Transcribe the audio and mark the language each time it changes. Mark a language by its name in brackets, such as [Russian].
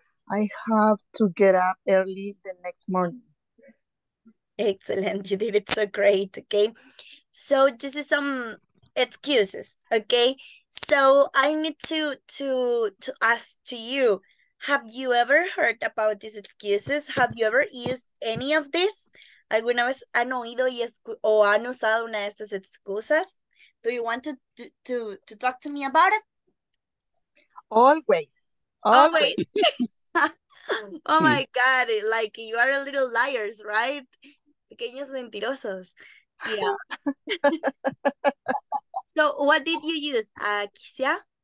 [English] I have to get up early the next morning. Excellent. You did it so great. Okay. So this is some excuses. Okay. So I need to ask to you, have you ever heard about these excuses? Have you ever used any of this? [Spanish] ¿Alguna vez han oído y o han usado una de estas excusas? [English] Do you want to talk to me about it? Always. Always. Oh my God. Like you are a little liars, right? [Spanish] Pequeños mentirosos. [English] Yeah. So what did you use, Kisia?